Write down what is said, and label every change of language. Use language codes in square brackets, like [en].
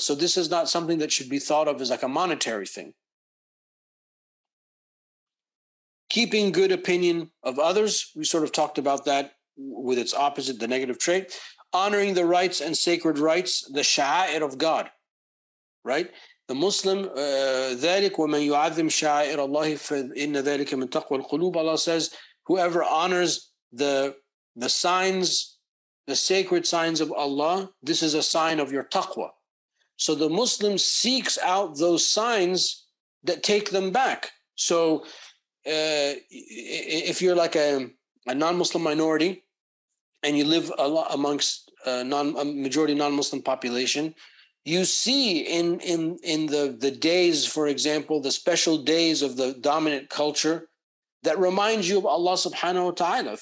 [en] So this is not something that should be thought of as like a monetary thing. Keeping good opinion of others. We sort of talked about that with its opposite, the negative trait. Honoring the rights and sacred rights, the sha'air of God, right? The Muslim, [ar] ذلك ومن يعظم شعائر الله فإن ذلك من تقوى القلوب. [en] Allah says, whoever honors the signs, the sacred signs of Allah, this is a sign of your taqwa. So the Muslim seeks out those signs that take them back. So if you're like a non-Muslim minority and you live amongst a majority non-Muslim population, you see in the days, for example, the special days of the dominant culture that remind you of Allah subhanahu wa ta'ala.